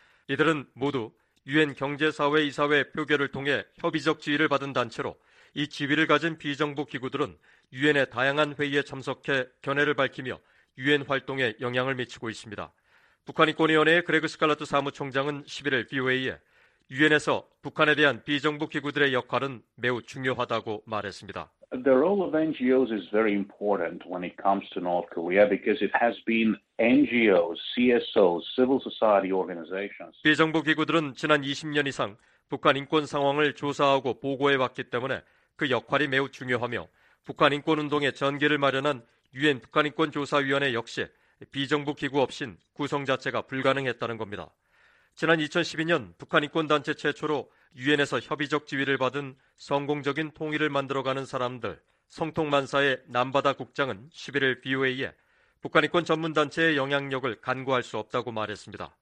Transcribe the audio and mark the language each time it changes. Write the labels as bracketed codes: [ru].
[ko] 이들은 모두 유엔 경제사회 이사회 표결을 통해 협의적 지위를 받은 단체로 이 지위를 가진 비정부 기구들은 유엔의 다양한 회의에 참석해 견해를 밝히며 유엔 활동에 영향을 미치고 있습니다. 북한인권위원회의 그레그 스칼라트 사무총장은 11일 VOA에 유엔에서 북한에 대한 비정부 기구들의 역할은 매우 중요하다고 말했습니다. [en] The role of NGOs is very important when it comes to North Korea because it has been NGOs, CSOs, civil society organizations. [ko] 비정부 기구들은 지난 20년 이상 북한 인권 상황을 조사하고 보고해 왔기 때문에 그 역할이 매우 중요하며 북한 인권 운동의 전개를 마련한 유엔 북한 인권 조사위원회 역시 비정부 기구 없인 구성 자체가 불가능했다는 겁니다. 지난 2012년 북한 인권 단체 최초로 유엔에서 협의적 지위를 받은 성공적인 통일을 만들어가는 사람들, 성통만사의 남바다 국장은 11일 VOA에 북한인권 전문단체의 영향력을 간과할 수 없다고 말했습니다.